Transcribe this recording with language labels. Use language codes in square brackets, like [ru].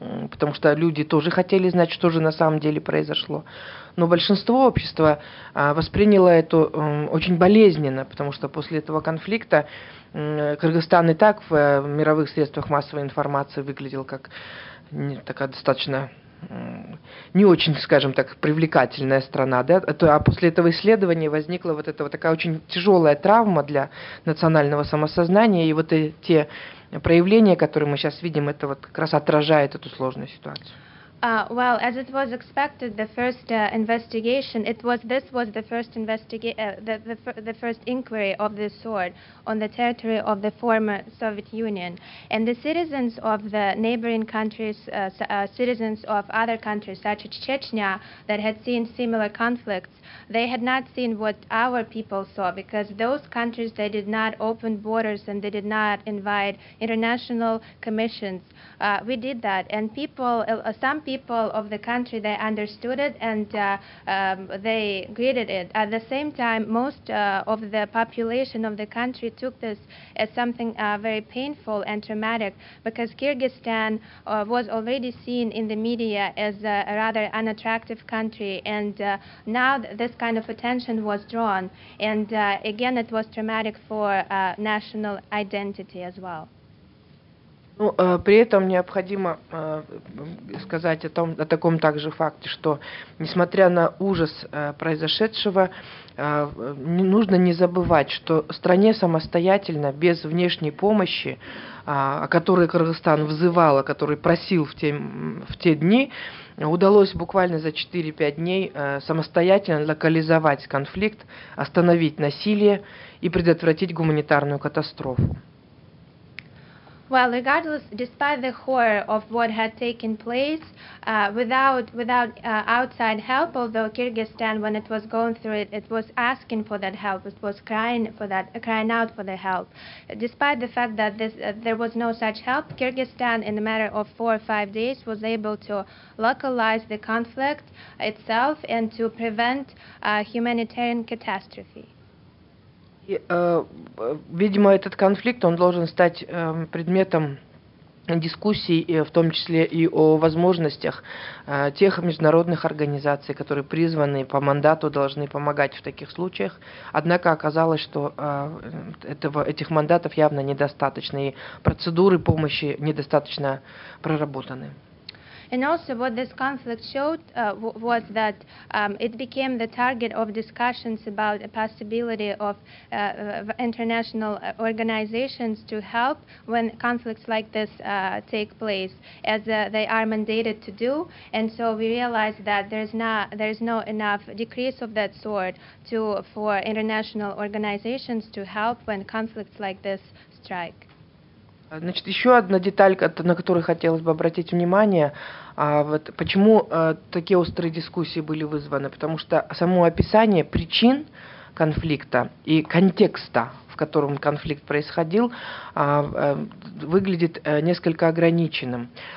[ru] потому что люди тоже хотели знать, что же на самом деле произошло, но большинство общества восприняло это очень болезненно, потому что после этого конфликта Кыргызстан и так в мировых средствах массовой информации выглядел как такая достаточно не очень, скажем так, привлекательная страна, да? А после этого исследования возникла вот эта вот такая очень тяжелая травма для национального самосознания, и вот те проявления, которые мы сейчас видим, это вот как раз отражает эту сложную ситуацию. [en] Well, as it was expected, the first investigation, this was the first inquiry of this sort on the territory of the former Soviet Union. And the citizens of the neighboring countries, citizens of other countries such as Chechnya that had seen similar conflicts, they had not seen what our people saw, because those countries, they did not open borders and they did not invite international commissions. We did that, and people, some people of the country, they understood it and they greeted it. At the same time, most of the population of the country took this as something very painful and traumatic, because Kyrgyzstan was already seen in the media as a rather unattractive country, and now this kind of attention was drawn, and again, it was traumatic for national identity as well. [ru] Ну, при этом необходимо сказать о том, о таком также факте, что несмотря на ужас произошедшего, нужно не забывать, что стране самостоятельно, без внешней помощи, о которой Кыргызстан взывал, о которой просил в те дни, удалось буквально за 4-5 дней самостоятельно локализовать конфликт, остановить насилие и предотвратить гуманитарную катастрофу. [en] Well, regardless, despite the horror of what had taken place, without outside help, although Kyrgyzstan, when it was going through it, it was asking for that help, it was crying out for the help. Despite the fact that there was no such help, Kyrgyzstan, in a matter of 4 or 5 days, was able to localize the conflict itself and to prevent humanitarian catastrophe. [ru] И, видимо, этот конфликт, он должен стать предметом дискуссий, в том числе и о возможностях тех международных организаций, которые призваны по мандату, должны помогать в таких случаях. Однако оказалось, что этих мандатов явно недостаточно, и процедуры помощи недостаточно проработаны. [en] And also what this conflict showed was that it became the target of discussions about the possibility of international organizations to help when conflicts like this take place, as they are mandated to do. And so we realized that there's no enough decrees of that sort for international organizations to help when conflicts like this strike. [ru] Значит, еще одна деталь, на которую хотелось бы обратить внимание, вот почему такие острые дискуссии были вызваны, потому что само описание причин конфликта и контекста, в котором конфликт происходил, выглядит несколько ограниченным.